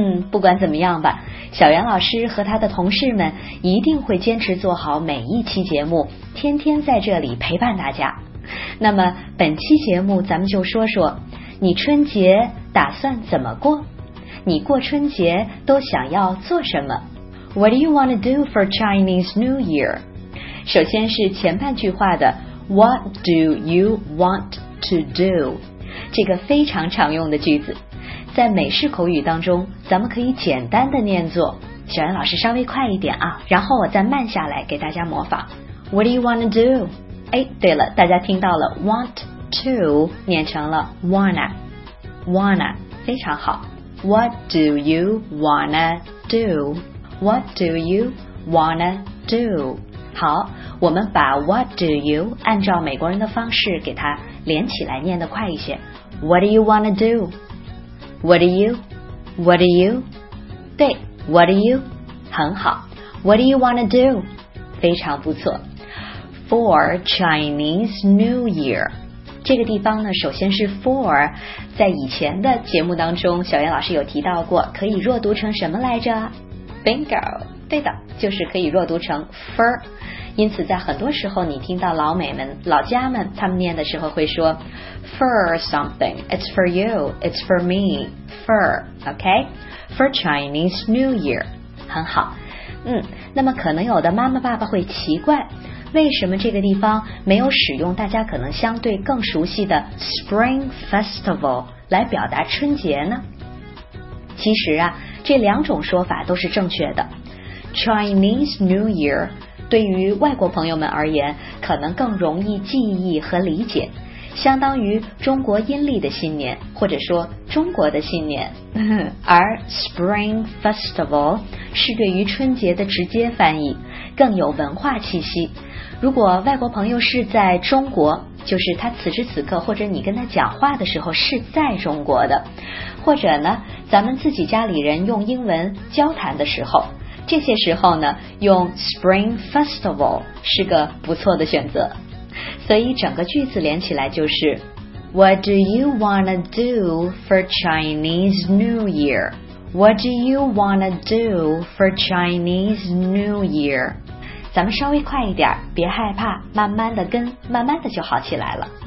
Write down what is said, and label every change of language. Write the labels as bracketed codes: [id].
[zh] 不管怎么样吧，小袁老师和他的同事们一定会坚持做好每一期节目，天天在这里陪伴大家。那么本期节目咱们就说说你春节打算怎么过，你过春节都想要做什么？ [en] What do you want to do for Chinese New Year? [zh] 首先是前半句话的 [en] What do you want to do? [zh] 这个非常常用的句子，在美式口语当中咱们可以简单的念作，小袁老师稍微快一点啊，然后我再慢下来给大家模仿 [en] What do you want to do? [zh] 哎，对了，大家听到了 want to 念成了 wanna wanna， 非常好。 [en] What do you wanna do? What do you wanna do? [zh] 好，我们把 [en] What do you [zh] 按照美国人的方式给它连起来念得快一些。 [en] What do you wanna do? What do you? What do you? [zh] 对 ， [en] What do you? 很好。What do you wanna do? [zh] 非常不错。 [en] For Chinese New Year. [zh] 这个地方呢，首先是 for， 在以前的节目当中小袁老师有提到过可以弱读成什么来着？ Bingo， 对的，就是可以弱读成 for。因此在很多时候你听到老美们老家们他们念的时候会说 [en] for something， it's for you， it's for me， for， OK， for Chinese New Year， [zh] 很好。那么可能有的妈妈爸爸会奇怪，为什么这个地方没有使用大家可能相对更熟悉的 Spring Festival 来表达春节呢？其实啊，这两种说法都是正确的。Chinese New Year 对于外国朋友们而言可能更容易记忆和理解，相当于中国阴历的新年，或者说中国的新年。而 Spring Festival 是对于春节的直接翻译，更有文化气息。如果外国朋友是在中国，就是他此时此刻或者你跟他讲话的时候是在中国的，或者呢咱们自己家里人用英文交谈的时候，这些时候呢用 Spring Festival 是个不错的选择。所以整个句子连起来就是 [en] What do you wanna do for Chinese New Year? What do you wanna do for Chinese New Year? [zh] 咱们稍微快一点，别害怕，慢慢的跟，慢慢的就好起来了。